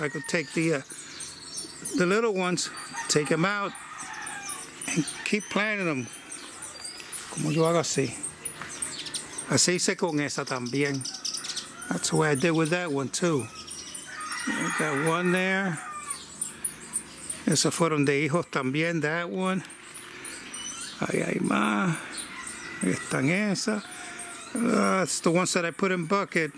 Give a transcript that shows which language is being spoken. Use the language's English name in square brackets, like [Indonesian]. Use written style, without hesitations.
[English] I could take the little ones, take them out, and keep planting them. [Spanish] Como yo hago así. Así hice con esa también. [English] That's the way I did with that one too. I got one there. [Spanish] Esas fueron de hijos también, [English] that one. [Spanish] Ahí hay más. Están esas. [English] That's the ones that I put in bucket.